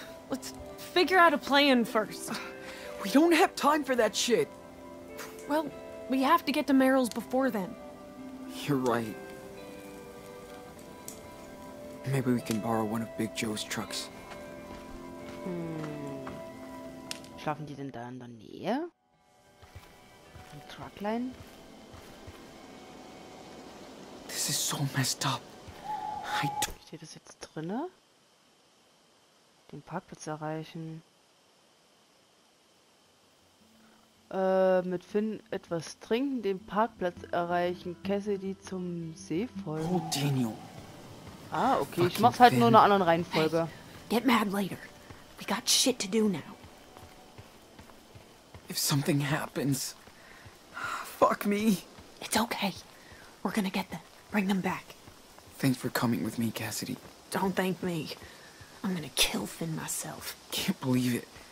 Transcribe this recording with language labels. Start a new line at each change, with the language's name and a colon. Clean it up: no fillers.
English: Let's figure out a plan first. We don't have time for that shit. Well, we have to get to Merrill's before then. You're right. Maybe we can borrow one of Big Joe's trucks.
German: Schlafen die denn da in der Nähe? Im Truckline?
English: This is so messed up.
German: Steht das jetzt drinne? Den Parkplatz erreichen. Mit Finn etwas trinken, den Parkplatz erreichen, Cassidy zum See folgen.
English: Oh, Daniel.
German: Ah, okay, ich mach's halt nur in einer anderen Reihenfolge.
English: Hey, get mad later. We got shit to do now. If something happens, fuck me. It's okay. We're gonna get them. Bring them back. Thanks for coming with me, Cassidy. Don't thank me. I'm gonna kill Finn myself. Can't believe it.